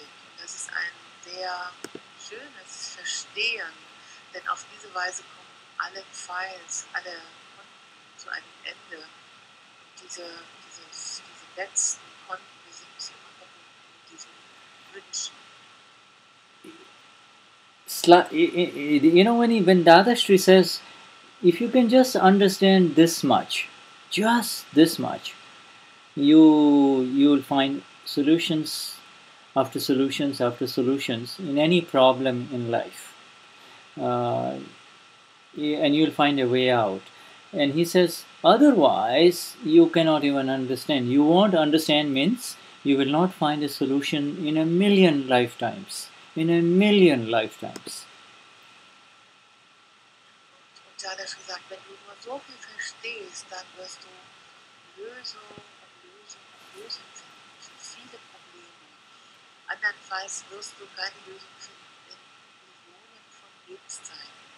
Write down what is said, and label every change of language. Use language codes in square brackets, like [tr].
[de] Und das ist ein sehr schönes Verstehen, denn auf diese Weise kommen alle Files, alle Konten zu einem Ende. Und diese letzten Konten, die sind immer verbunden mit diesem Wünschen. [en] You know, when Dadashri says, if you can just understand this much, just this much, you'll find solutions after solutions after solutions in any problem in life. And you'll find a way out. And he says, otherwise, you cannot even understand. You won't understand means you will not find a solution in a million lifetimes. In a million lifetimes. [de] Dadashri sagt, wenn du nur so viel verstehst, dann wirst du Lösung finden für viele Probleme. Andernfalls wirst du keine Lösung finden in Millionen von Lebenszeiten.